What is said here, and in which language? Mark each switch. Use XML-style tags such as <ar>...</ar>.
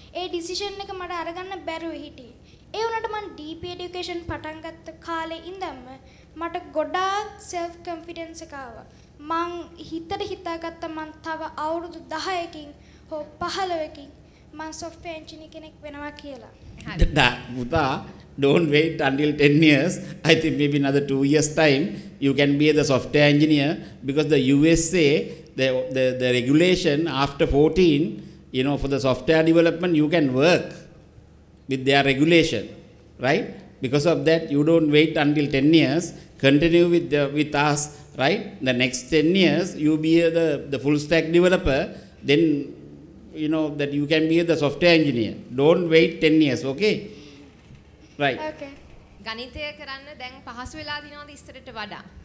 <si>ඒ decision එක මට අරගන්න බැරුව හිටියේ. ඒ වුණාට මම DP education පටන් ගත්ත කාලේ ඉඳන්ම මට ගොඩාක් self confidence එක ආවා. මං හිතට හිතාගත්ත මං තව අවුරුදු 10කින් හෝ 15කින් මං software engineer කෙනෙක් වෙනවා කියලා.</si> <en>පුතා, don't wait until 10 years. I think maybe another 2 years time you can be the software engineer, because the USA, the regulation after 14, you know, for the software development you can work with their regulation, right? Because of that you don't wait until 10 years, continue with us, right? The next 10 years you be the full stack developer, then you know that you can be the software engineer. Don't wait 10 years, okay? Right. Okay.</en> <si>ගණිතය කරන්න දැන් පහසු වෙලා දිනවද ඉස්සරට වඩා?</si>